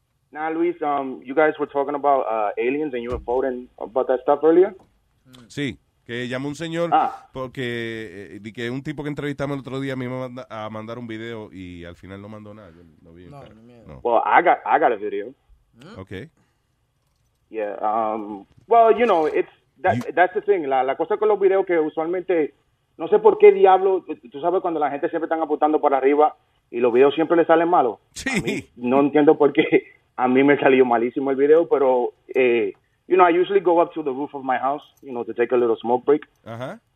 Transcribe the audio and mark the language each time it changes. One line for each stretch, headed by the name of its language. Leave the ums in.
English: Now, Luis, um, you guys were talking about uh, aliens and you were voting about that stuff
Spanish: earlier? Mm. Sí. Que llamó un señor ah. porque eh, que un tipo que entrevistamos el otro día a mí me iba manda, a mandar un video y al final no mandó nada. Yo no vi No, mi miedo. no.
English: Well, I got I got a video. ¿Eh? Okay. Yeah, um, well, you know, it's that, you... that's the thing.
Spanish: La, la, cosa con los videos que usualmente no sé por qué diablo, tú sabes cuando la gente siempre están apuntando para arriba y los videos siempre le salen malos.
English: Sí.
Spanish: Mí, no entiendo por qué a mí me salió malísimo el video, pero
English: eh, you know, I usually go up to the roof of my house, you know, to take a little smoke break. Uh -huh.